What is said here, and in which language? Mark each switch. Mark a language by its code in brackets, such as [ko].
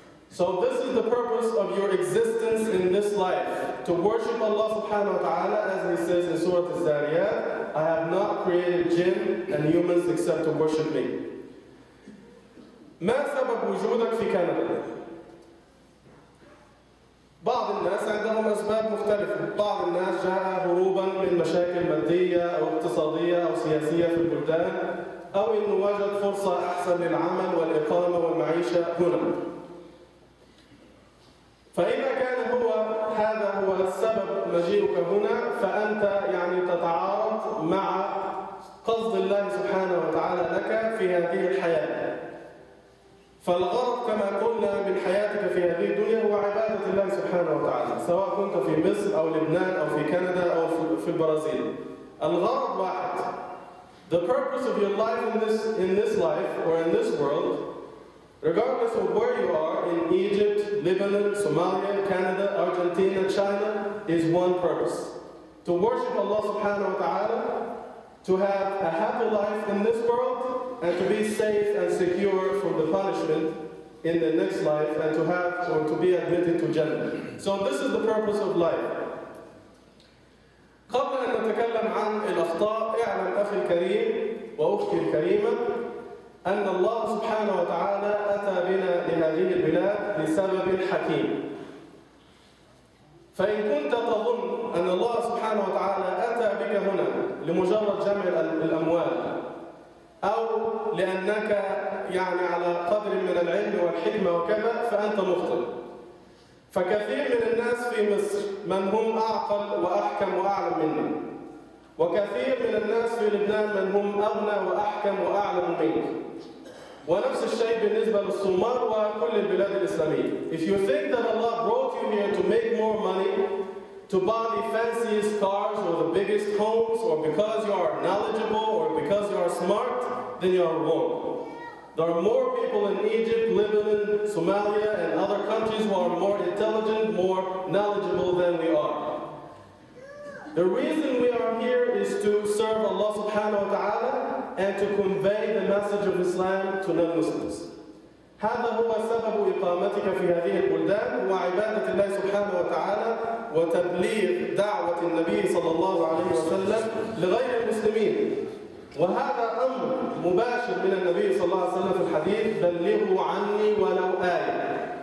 [en] So this is the purpose of your existence in this life, to worship Allah subhanahu wa ta'ala, as he says in Surah Az-Zariyat, I have not created jinn and humans except to worship me. [ar] ما سبب وجودك في كندا؟ بعض الناس عندهم أسباب مختلفة. بعض الناس جاء هروبا من مشاكل مادية أو اقتصادية أو سياسية في البلدان، أو إنه وجد فرصة أحسن للعمل والإقامة والمعيشة هنا. فإذا كان هو هذا هو السبب مجيئك هنا، فأنت يعني تتعارض مع قصد الله سبحانه وتعالى لك في هذه الحياة. فالغرض كما قلنا من حياتك في هذه الدنيا هو عبادة الله سبحانه وتعالى، سواء كنت في مصر أو لبنان أو في كندا أو في البرازيل. الغرض واحد. [en] The purpose of your life in this life or in this world, regardless of where you are, in Egypt, Lebanon, Somalia, Canada, Argentina, China, is one purpose. To worship Allah subhanahu wa ta'ala, to have a happy life in this world, and to be safe and secure from the punishment in the next life, and to be admitted to Jannah. So this is the purpose of life. [ar] قبل أن نتكلم عن الأخطاء، اعلم أخي الكريم وأختي الكريمة أن الله سبحانه وتعالى أتى بنا إلى هذه البلاد لسبب حكيم. فإن كنت تظن أن الله سبحانه وتعالى أتى بك هنا لمجرد جمع الأموال، أو لأنك يعني على قدر من العلم والحكمة وكذا، فأنت مخطئ. فكثير من الناس في مصر من هم أعقل وأحكم وأعلم مني، وكثير من الناس في لبنان من هم أغنى وأحكم وأعلم مني، ونفس الشيء بالنسبة للصومال وكل البلاد الإسلامية. [en] If you think that Allah brought you here to make more money, to buy the fanciest cars or the biggest homes, or because you are knowledgeable or because you are smart, then you are wrong. There are more people in Egypt, Lebanon, Somalia, and other countries who are more intelligent, more knowledgeable than we are. The reason we are here is to serve Allah subhanahu wa ta'ala and to convey the message of Islam to non-Muslims. [ar] هذا هو سبب إقامتك في هذه البلدان، وعبادة الله سبحانه وتعالى وتبليغ دعوة النبي صلى الله عليه وسلم لغير المسلمين. وهذا أمر مباشر من النبي صلى الله عليه وسلم في الحديث، بلغوا عني ولو آية.